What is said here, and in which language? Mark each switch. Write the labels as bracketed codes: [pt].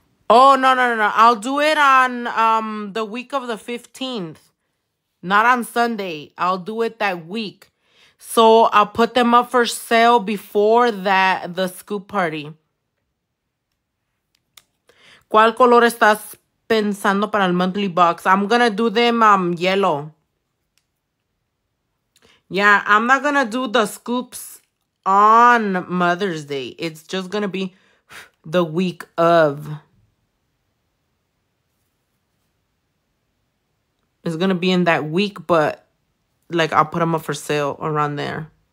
[en] Oh, no. I'll do it on the week of the 15th, not on Sunday. I'll do it that week. So I'll put them up for sale before that, the scoop party. [es] ¿Cuál color estás pensando para el monthly box? [en] I'm gonna do them yellow. Yeah, I'm not gonna do the scoops on Mother's Day. It's just gonna be the week of. It's gonna be in that week, but like I'll put them up for sale around there.